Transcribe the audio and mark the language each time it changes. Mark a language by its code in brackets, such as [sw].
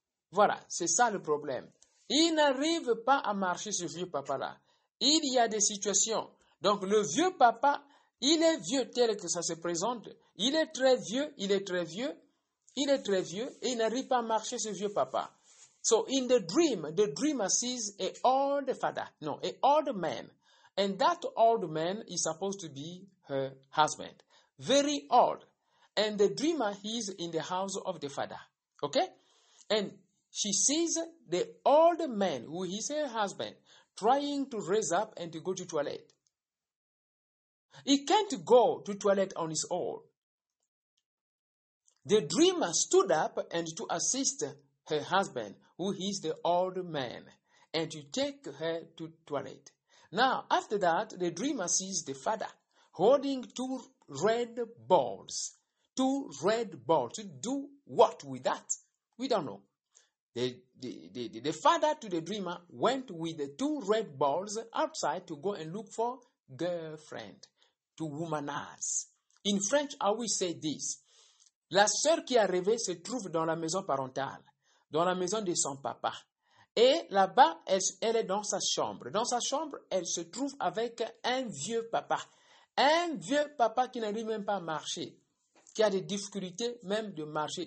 [fr] Voilà, c'est ça le problème. Il n'arrive pas à marcher, ce vieux papa-là. Il y a des situations. Donc, le vieux papa, il est vieux tel que ça se présente. Il est très vieux, il est très vieux. Il est très vieux et il n'arrive pas à marcher, ce vieux papa. [en] So, in the dream sees an old father. No, an old man. And that old man is supposed to be her husband. Very old. And the dreamer is in the house of the father. Okay? And she sees the old man, who is her husband, trying to raise up and to go to toilet. He can't go to toilet on his own. The dreamer stood up and to assist her husband, who is the old man, and to take her to toilet. Now, after that, the dreamer sees the father holding two red balls. Two red balls. To do what with that? We don't know. The father to the dreamer went with the two red balls outside to go and look for girlfriend, to womanize. In French, I will say this. [fr] La sœur qui a rêvé se trouve dans la maison parentale, dans la maison de son papa. Et là-bas, elle est dans sa chambre. Dans sa chambre, elle se trouve avec un vieux papa. Un vieux papa qui n'arrive même pas à marcher, qui a des difficultés même de marcher.